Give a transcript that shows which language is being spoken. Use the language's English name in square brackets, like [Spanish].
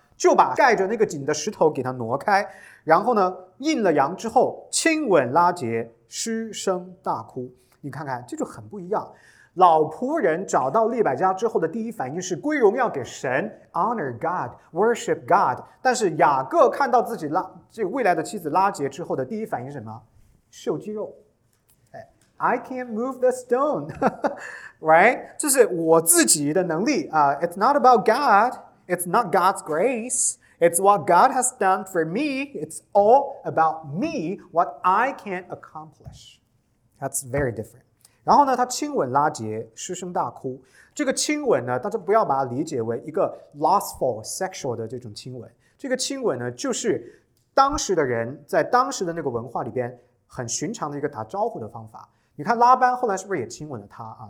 [Chinese] 就把盖着那个井的石头给他挪开，然后呢，印了羊之后亲吻拉结，失声大哭。你看看，这就很不一样。老仆人找到利百加之后的第一反应是归荣耀给神， [English] honor God, worship God。 [Chinese] 但是雅各看到自己拉这个未来的妻子拉结之后的第一反应是什么？秀肌肉。 [English] I can't move the stone right? [Chinese] 这是我自己的能力、 [English] It's not about God, it's not God's grace, it's what God has done for me, it's all about me, what I can accomplish. That's very different. [Chinese] 然后呢，他亲吻拉结，失声大哭。这个亲吻呢，大家不要把它理解为一个 [English] lustful sexual [Chinese] 的这种亲吻。这个亲吻呢，就是当时的人在当时的那个文化里边，很寻常的一个打招呼的方法。你看拉班后来是不是也亲吻了他啊？